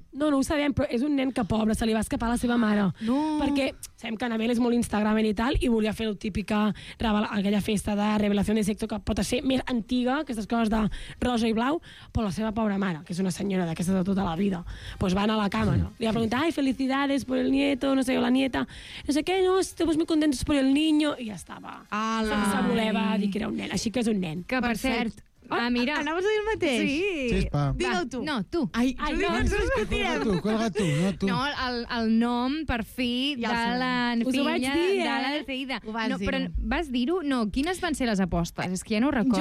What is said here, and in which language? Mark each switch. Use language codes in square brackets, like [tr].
[ca] No ho sabem, però és un nen que, pobre, se li va escapar a la seva mare. No. Perquè sabem que Anabel és molt Instagramer i tal, i volia fer la típica aquella festa de revelació de sexo que pot ser més antiga, aquestes coses de rosa i blau, però la seva pobra mare, que és una senyora d'aquestes de tota la vida, pues va anar a la càmera. Li va preguntar, ai, [es] felicidades por el nieto, [ca] no sé jo, [es] la nieta, [ca] no sé què, no, [es] estamos muy contentos por el niño, [ca] i ja estava. Ala. Se voleva dir que era un nen, així que és un nen. Que, per cert, mira. Anaves a dir el mateix? Sí. Xispa. Digue-ho tu. No, tu. Ai, no, ens ho discutirem. Colga tu, no tu. No, el nom, per fi, ja de la filla de la Teida. Ho vas dir. No, però vas dir-ho? No, quines van ser les apostes? És que ja no ho recordo.